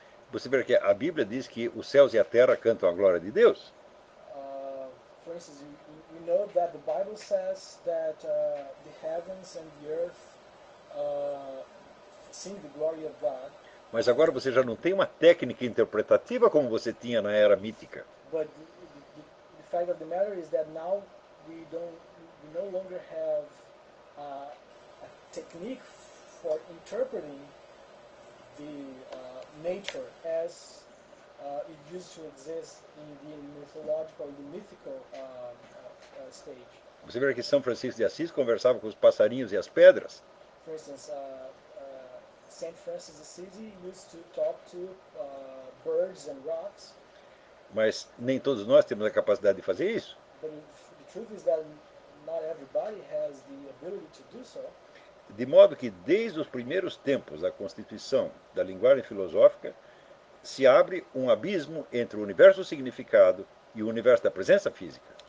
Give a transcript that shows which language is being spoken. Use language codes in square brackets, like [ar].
[pt] Você vê que a Bíblia diz que os céus e a terra cantam a glória de Deus? [en] For instance, you know that the Bible says that the heavens and the earth sing the glory of God. [pt] Mas agora você já não tem uma técnica interpretativa como você tinha na era mítica. [en] But the fact of the matter is that now we no longer have a technique for interpreting the nature as it used to exist in the mythological, the mythical stage. [pt] Você vê que São Francisco de Assis conversava com os passarinhos e as pedras? [en] For instance, Saint Francis de Assis used to talk to birds and rocks. [pt] Mas nem todos nós temos a capacidade de fazer isso. [en] But the truth is that not everybody has the ability to do so. [pt] De modo que, desde os primeiros tempos da constituição da linguagem filosófica, se abre um abismo entre o universo significado e o universo da presença física.